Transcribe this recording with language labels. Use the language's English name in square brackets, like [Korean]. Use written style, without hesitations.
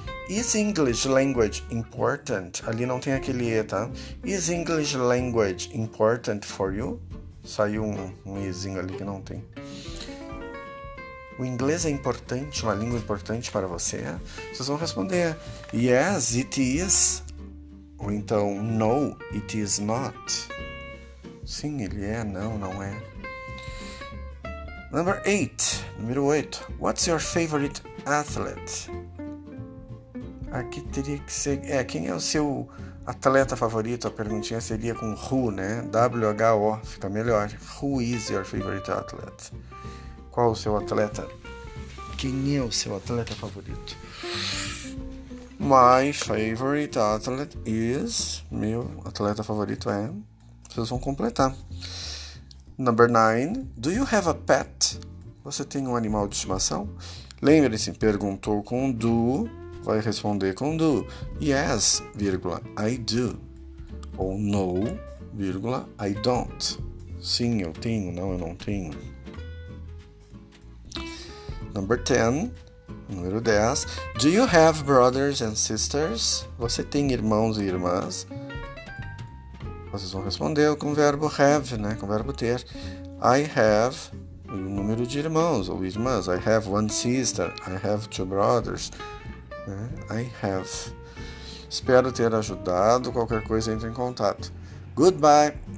[English] Is English language important? [Portuguese] Ali não tem aquele E, tá? [English] Is English language important for you? [Portuguese] Saiu um Ezinho ali que não tem. O inglês é importante, uma língua importante para você? Vocês vão responder, [English] yes, it is. [Portuguese] Ou então, [English] no, it is not. [Portuguese] Sim, ele é, não, não é. [English] Number 8, [Portuguese] número 8. [English] What's your favorite athlete? [Portuguese] Aqui teria que ser, quem é o seu atleta favorito? A perguntinha seria com who, né? W-H-O, fica melhor. [English] Who is your favorite athlete? [Portuguese] Qual o seu atleta? Quem é o seu atleta favorito? [English] My favorite athlete is... [Portuguese] Meu atleta favorito é... Vocês vão completar. [English] Number 9. Do you have a pet? [Portuguese] Você tem um animal de estimação? Lembre-se, perguntou com do, vai responder com do. Yes, vírgula, [English] I do. [Portuguese] Ou no, vírgula, [English] I don't. [Portuguese] Sim, eu tenho. Não, eu não tenho. [English] Number 10, [Portuguese] número 10. [English] Do you have brothers and sisters? [Portuguese] Você tem irmãos e irmãs? Vocês vão responder com o verbo have, né? Com o verbo ter. I have o número de irmãos ou irmãs. [English] I have one sister. I have two brothers. I have. [Portuguese] Espero ter ajudado. Qualquer coisa, entre em contato. Goodbye!